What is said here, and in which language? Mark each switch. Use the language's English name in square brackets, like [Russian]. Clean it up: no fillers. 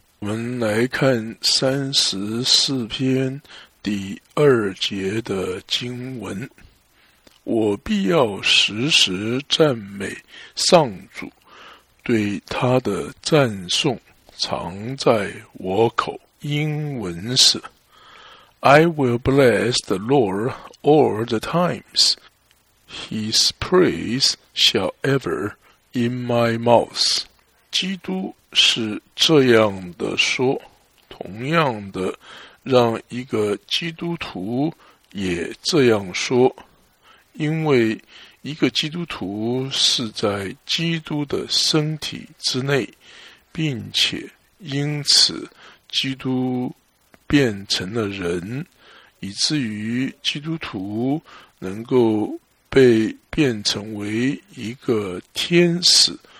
[Chinese] 我们来看34篇第二节的经文，我必要时时赞美上主，对他的赞颂常在我口。英文是 [English] I will bless the Lord all the times, His praise shall ever in my mouth. [Chinese] 基督是这样的说，同样的让一个基督徒也这样说，因为一个基督徒是在基督的身体之内，并且因此基督变成了人，以至于基督徒能够被变成为一个天使。